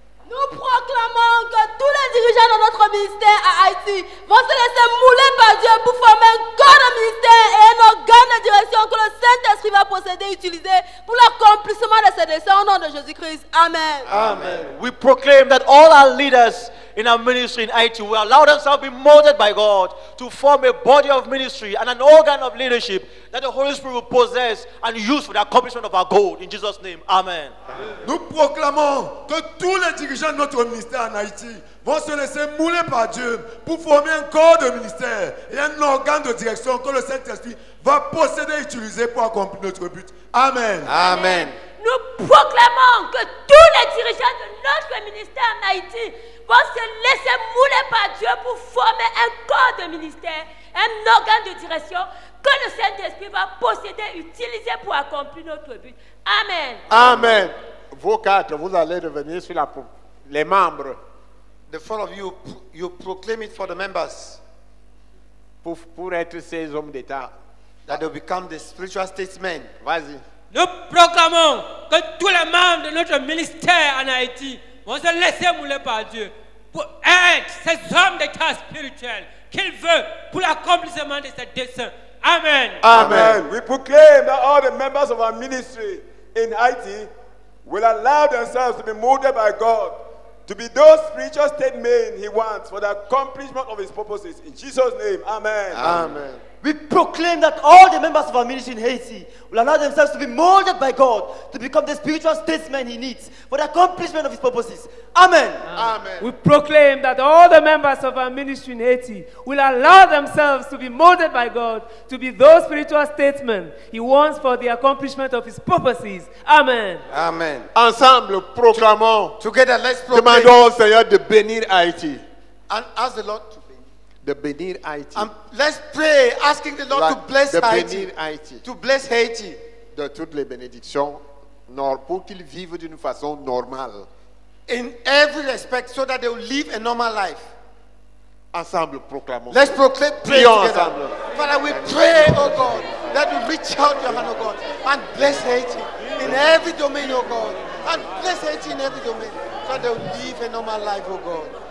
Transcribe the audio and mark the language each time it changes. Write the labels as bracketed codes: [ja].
[fr] Nous proclamons que tous les dirigeants de notre ministère à Haïti vont se laisser mouler par Dieu pour former un corps de ministère et un organe de direction que le Saint-Esprit va posséder et utiliser pour l'accomplissement de ses desseins au nom de Jésus-Christ. Amen. Amen. [en] We proclaim that all our leaders in our ministry in Haiti will allow themselves to be molded by God to form a body of ministry and an organ of leadership that the Holy Spirit will possess and use for the accomplishment of our goal. In Jesus' name, amen. [fr] Nous proclamons que tous les dirigeants de notre ministère en Haïti vont se laisser mouler par Dieu pour former un corps de ministère et un organe de direction que le Saint-Esprit va posséder et utiliser pour accomplir notre but. Amen. Amen. Nous proclamons que tous les dirigeants de notre ministère en Haïti vont se laisser mouler par Dieu pour former un corps de ministère, un organe de direction que le Saint-Esprit va posséder, utiliser pour accomplir notre but. Amen. Amen. Vous quatre, vous allez revenir sur la, les membres. [en] The four of you, you proclaim it for the members. [fr] Pour être ces hommes d'État. [en] That they'll become the spiritual statesmen. [fr] Vas-y. Nous proclamons que tous les membres de notre ministère en Haïti vont se laisser mouler par Dieu pour être ces hommes d'État spirituels qu'il veut pour l'accomplissement de ses desseins. Amen. Amen. [en] We proclaim that all the members of our ministry in Haiti will allow themselves to be molded by God to be those spiritual statesmen He wants for the accomplishment of His purposes. In Jesus' name, amen. Amen. We proclaim that all the members of our ministry in Haiti will allow themselves to be molded by God to become the spiritual statesmen He needs for the accomplishment of His purposes. Amen. Amen. We proclaim that all the members of our ministry in Haiti will allow themselves to be molded by God to be those spiritual statesmen He wants for the accomplishment of His purposes. Amen. Amen. [fr] Ensemble, proclamons. [en] Together, let's proclaim. [fr] Demandons au Seigneur de bénir Haïti. [en] And ask the Lord to [fr] de bénir Haïti. [en] Let's pray, asking the Lord to bless [fr] de Haïti, Haïti. [en] To bless Haiti. [fr] De toutes les bénédictions, pour qu'ils vivent d'une façon normale. [en] In every respect, so that they will live a normal life. [fr] Ensemble, proclamons. [en] Let's proclaim, pray together. [fr] Ensemble. [en] Father, we pray, oh God, that you reach out your hand, oh God, and bless Haiti in every domain, oh God. And bless Haiti in every domain, so that they will live a normal life, oh God.